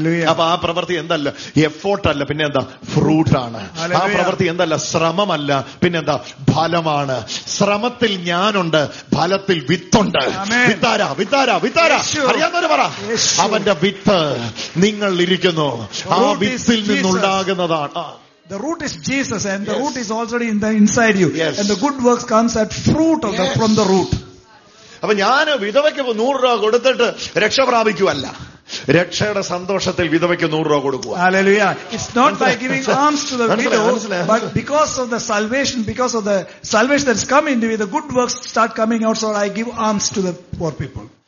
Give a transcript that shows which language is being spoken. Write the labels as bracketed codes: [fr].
[ml] അപ്പൊ ആ പ്രവൃത്തി എന്തല്ല, എഫോർട്ടല്ല, പിന്നെന്താ, ഫ്രൂട്ടാണ്. ആ പ്രവൃത്തി എന്തല്ല, ശ്രമമല്ല, പിന്നെന്താ, ഫലമാണ്. ശ്രമത്തിൽ ഞാനുണ്ട്, ഫലത്തിൽ വിത്തുണ്ട്. വിത്താരാ, വിത്താരാ, വിത്താരാ, അറിയാമെന്നൊരു പറ. അവന്റെ വിത്ത് നിങ്ങൾ ഇരിക്കുന്നു, ആ വിത്തിൽ നിന്നുണ്ടാകുന്നതാണ്. [en] The root is Jesus and the root is already in the inside you. And the good works comes at fruit of from the root. [ml] അപ്പൊ ഞാൻ വിധവയ്ക്ക് 100 രൂപ കൊടുത്തിട്ട് രക്ഷ പ്രാപിക്കുവല്ല, രക്ഷയുടെ സന്തോഷത്തിൽ വിധവയ്ക്ക് 100 രൂപ കൊടുക്കുക. ഹല്ലേലൂയാ. [en] It's not by giving alms to the widow, but because of the salvation, because of the salvation that's come into with the good works start coming out, so I give alms to the poor people.